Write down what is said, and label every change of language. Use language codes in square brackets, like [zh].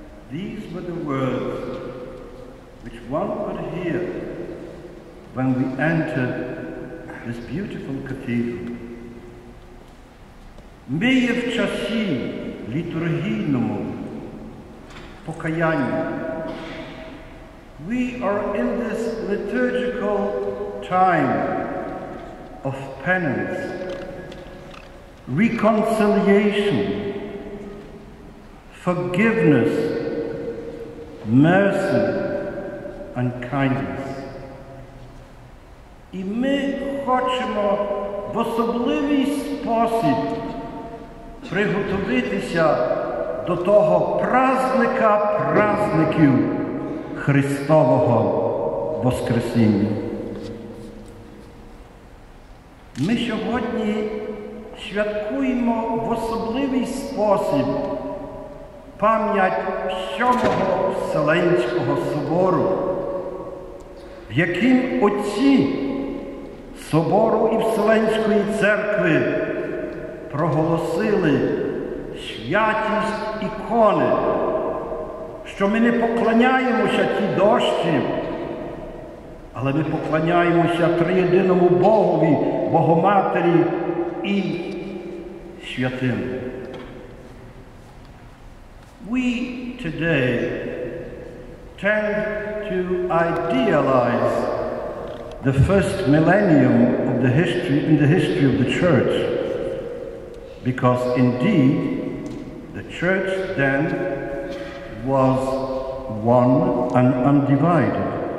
[en] These were the words which one could hear when we entered this beautiful cathedral. [uk] Ми є в часі літургійному покаянню. [en] We are in this liturgical time of penance, reconciliation, forgiveness, mercy and kindness. [uk] І ми хочемо в особливий спосіб приготуватися до того праздника праздників Христового Воскресіння. Ми сьогодні святкуємо в особливий спосіб пам'ять сьомого Вселенського собору, в яким отці собору і Вселенської церкви проголосили святість ікони, що ми не поклоняємося ті дощі, але ми поклоняємося триєдиному Богові, Богоматері і святим. [en] We today tend to idealize the first millennium of the history in the history of the church, because indeed the church then was one and undivided.